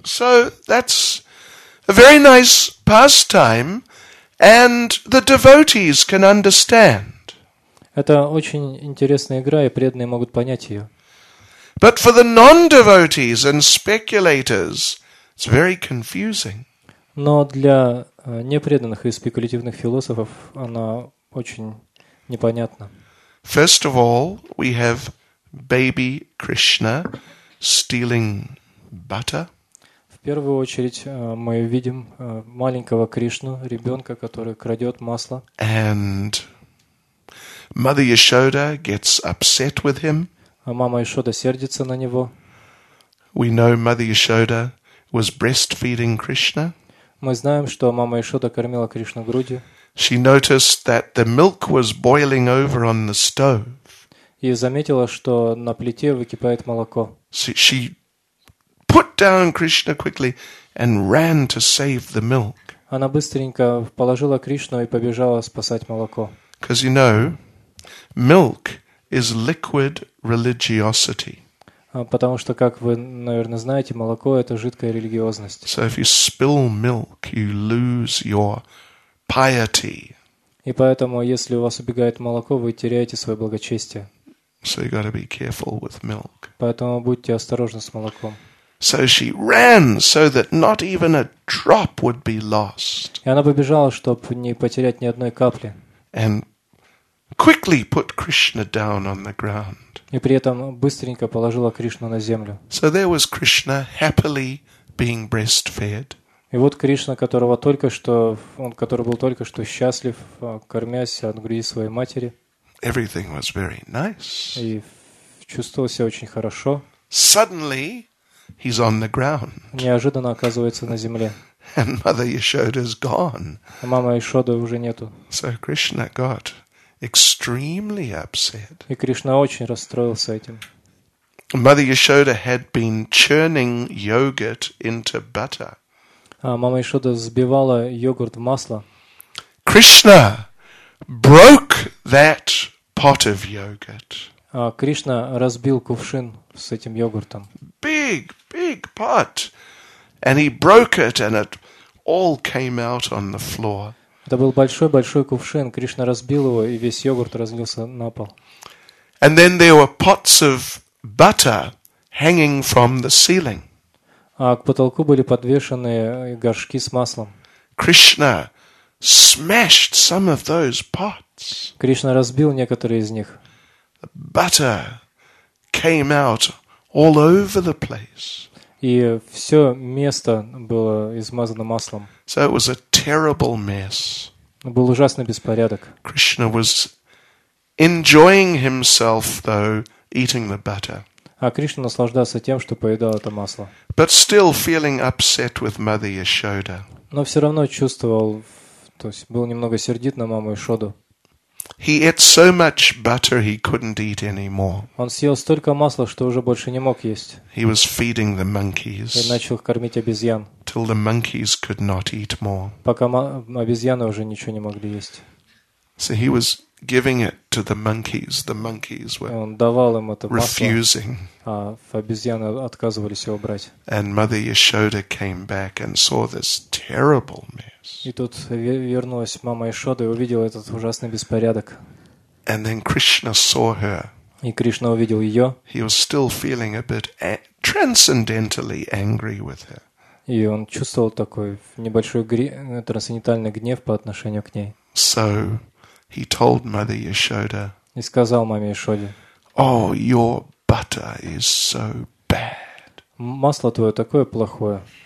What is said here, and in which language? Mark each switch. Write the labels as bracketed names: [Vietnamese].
[English] So that's a very nice pastime, and the devotees can understand. [Russian] Это очень интересная игра, и преданные могут понять ее. [English] But for the non-devotees and speculators, it's very confusing. [Russian] Но для непреданных и спекулятивных философов она очень непонятна. [English] First of all, we have baby Krishna stealing butter. [Russian] В первую очередь мы видим маленького Кришну, ребенка, который крадет масло. [English] And Mother Yashoda gets upset with him. [Russian] А мама Ишода сердится на него. [English] We know Mother Yashoda was breastfeeding Krishna. [Russian] Мы знаем, что мама Ишода кормила Кришну грудью. [English] She noticed that the milk was boiling over on the stove. [Russian] И заметила, что на плите выкипает молоко. [English] She put down Krishna quickly and ran to save the milk. [Russian] Она быстренько положила Кришну и побежала спасать молоко. [English] Because you know, milk is liquid religiosity. [Russian] Потому что, как вы, наверное, знаете, молоко – это жидкая религиозность. [English] So if you spill milk, you lose your piety. [Russian] И поэтому, если у вас убегает молоко, вы теряете свое благочестие. [English] So you got to be careful with milk. [Russian] Поэтому будьте осторожны с молоком. [English] So she ran so that not even a drop would be lost. [Russian] И она побежала, чтобы не потерять ни одной капли. [English] And quickly put Krishna down on the ground. [Russian] И при этом быстренько положила Кришну на землю. [English] So there was Krishna happily being breastfed. [Russian] И вот Кришна, которого только что, он, который был только что счастлив, кормясь от груди своей матери. [English] Everything was very nice. [Russian] И чувствовался очень хорошо. [English] Suddenly, he's on the ground. [Russian] Неожиданно оказывается на земле. [English] And Mother Yashoda's gone. [Russian] А мама Ишоды уже нету. [English] So Krishna got extremely upset. [Russian] И Кришна очень расстроился этим. [English] Mother Yashoda had been churning yogurt into butter. [Russian] А мама Ишода взбивала йогурт в масло. [English] Krishna broke that pot of yogurt. [Russian] А Кришна разбил кувшин с этим йогуртом. [English] Big, big pot. And he broke it and it all came out on the floor. [Russian] Это был большой-большой кувшин. Кришна разбил его, и весь йогурт разлился на пол. [English] And then there were pots of butter hanging from the ceiling. [Russian] А к потолку были подвешены горшки с маслом. [English] Krishna smashed some of those pots. [Russian] Кришна разбил некоторые из них. [English] Butter came out all over the place. [Russian] И все место было измазано маслом. [English] So it was a terrible mess. [Russian] Был ужасный беспорядок. [English] Krishna was enjoying himself, though, eating the butter. [Russian] А Кришна наслаждался тем, что поедал это масло. [English] But still feeling upset with Mother Yashoda. [Russian] Но все равно чувствовал, то есть был немного сердит на маму Яшоду. [English] He ate so much butter he couldn't eat anymore. [Russian] Он съел столько масла, что уже больше не мог есть. [English] He was feeding the monkeys. [Russian] И начал кормить обезьян. [English] Till the monkeys could not eat more. [Russian] Пока обезьяны уже ничего не могли есть. [English] So he was giving it to the monkeys. The monkeys were refusing. [Russian] Он давал им это масло, а обезьяны отказывались его брать. [English] And Mother Yashoda came back and saw this terrible mess. [Russian] И тут вернулась мама Яшода и увидела этот ужасный беспорядок. [English] And then Krishna saw her. [Russian] И Кришна увидел ее. [English] He was still feeling a bit transcendentally angry with her. [Russian] И он чувствовал такой небольшой трансцендентальный гнев по отношению к ней. [English] So he told Mother Yashoda. [Russian] И сказал маме Яшоде. [English] Oh, your butter is so bad. [Russian] Масло твое такое плохое.